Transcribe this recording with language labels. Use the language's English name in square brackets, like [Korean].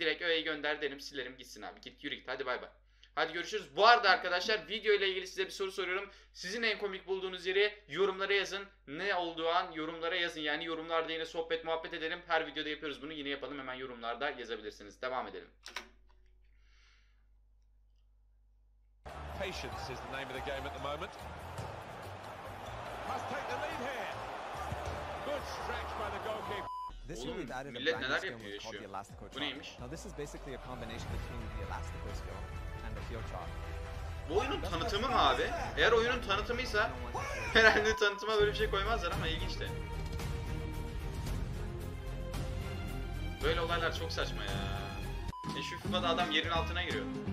[Turkish] Direkt öğeyi gönder derim, silerim gitsin abi. Git yürü git, hadi bay bay. Hadi görüşürüz. Bu arada arkadaşlar video ile ilgili size bir soru soruyorum. Sizin en komik bulduğunuz yeri yorumlara yazın. Ne olduğu an yorumlara yazın. Yani yorumlarda yine sohbet muhabbet edelim. Her videoda yapıyoruz bunu, yine yapalım. Hemen yorumlarda yazabilirsiniz. Devam edelim. [English] Patience is the name of the game at the moment. Must take the lead here. Good stretch by the goalkeeper. This one we've added a brand new skill called the Elastico Chop. Now this is basically a combination between the Elastico skill and the heel chop. [Turkish] Bu oyunun tanıtımı mı abi? Eğer oyunun tanıtımıysa herhalde tanıtıma böyle bir şey koymazlar ama ilginç de. Böyle olaylar çok saçma ya. Şu FIFA'da adam yerin altına giriyor.